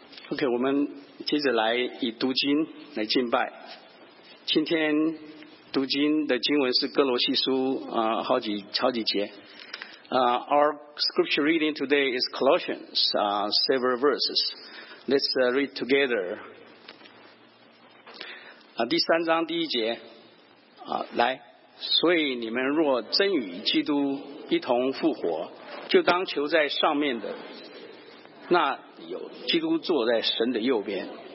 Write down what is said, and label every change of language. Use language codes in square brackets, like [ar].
[zh] OK， 我们接着来以读经来敬拜。今天读经的经文是哥罗西书、好几节。 [en] Our scripture reading today is Colossians,、several verses. Let's、read together.、 [zh] 第三章第一节、来，所以你们若真与基督一同复活，就当求在上面的，那有基督坐在神的右边。